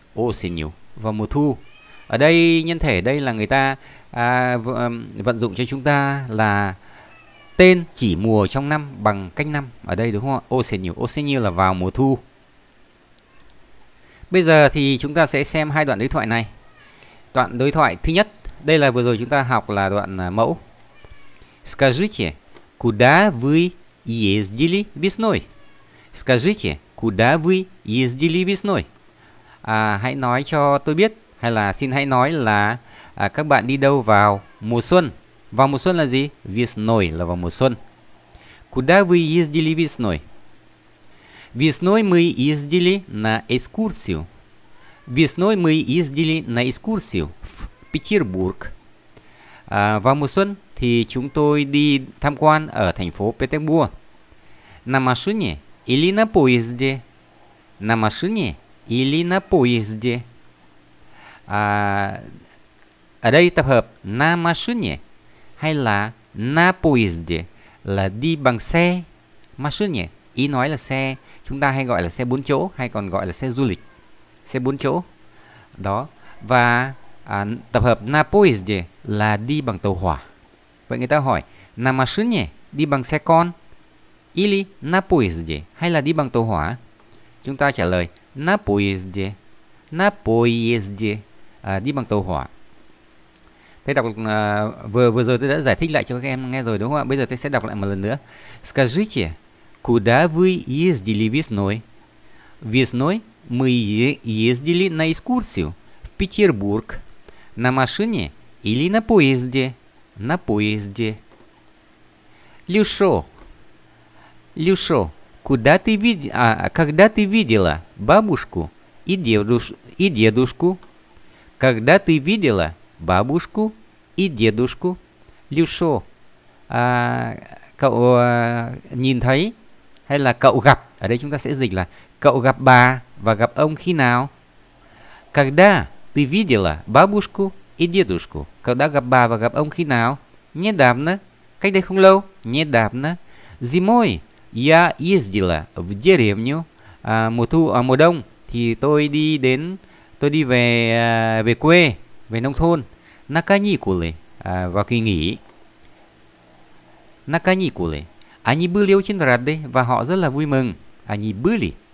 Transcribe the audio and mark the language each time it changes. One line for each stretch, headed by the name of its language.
Russian: Осенью,
Vietnamese: vào mùa thu. Ở đây nhân thể đây là người ta vận dụng cho chúng ta là tên chỉ mùa trong năm bằng cách năm ở đây, đúng không ạ?
Russian: Осенью, осенью
Vietnamese: là vào mùa thu. Bây giờ thì chúng ta sẽ xem hai đoạn đối thoại này. Đoạn đối thoại thứ nhất, đây là vừa rồi chúng ta học là đoạn mẫu.
Russian: Скажите, куда вы ездили весной? Скажите, куда вы ездили весной?
Vietnamese: Hãy nói cho tôi biết, hay là xin hãy nói là các bạn đi đâu vào mùa xuân? Vào mùa xuân là gì?
Russian: Весной
Vietnamese: là vào mùa xuân.
Russian: Куда вы ездили весной? Весной мы ездили на экскурсию. Весной мы ездили на экскурсию в Петербург.
Vietnamese: Vào mùa xuân thì chúng tôi đi tham quan ở thành phố Petersburg.
Russian: На машине или на поезде? На машине или на поезде?
Vietnamese: Ở đây tập hợp
Russian: на машине
Vietnamese: hay là
Russian: на поезде
Vietnamese: là đi bằng xe. Машине, ý nói là xe. Chúng ta hay gọi là xe 4 chỗ, hay còn gọi là xe du lịch. Xe 4 chỗ. Đó. Và tập hợp
Russian: на поезде
Vietnamese: là đi bằng tàu hỏa. Vậy người ta hỏi
Russian: на машине,
Vietnamese: đi bằng xe con,
Russian: Или на поезде.
Vietnamese: Hay là đi bằng tàu hỏa? Chúng ta trả lời
Russian: на поезде. На поезде.
Vietnamese: À, đi bằng tàu hỏa. Thế đọc vừa rồi tôi đã giải thích lại cho các em nghe rồi đúng không ạ? Bây giờ tôi sẽ đọc lại một lần nữa.
Russian: Скажите, куда вы ездили весной? Весной мы ездили на экскурсию в Петербург. На машине или на поезде? На поезде. Люшо. Люшо, куда ты видела, когда ты видела бабушку и дедушку? Когда ты видела бабушку и дедушку? Люшо.
Vietnamese: А cậu nhìn thấy hay là cậu gặp? Ở đây chúng ta sẽ dịch là cậu gặp bà và gặp ông khi nào?
Russian: Когда ты видела бабушку и дедушку?
Vietnamese: Cậu đã gặp bà và gặp ông khi nào?
Russian: Недавно.
Vietnamese: Cách đây không lâu.
Russian: Недавно. Зимой я ездила в деревню.
Vietnamese: Mùa đông thì tôi đi về quê, về nông thôn.
Russian: На каникулы.
Vietnamese: Vào kỳ nghỉ.
Russian: На каникулы. Они были очень рады.
Vietnamese: Và họ rất là vui mừng.
Russian: Они были.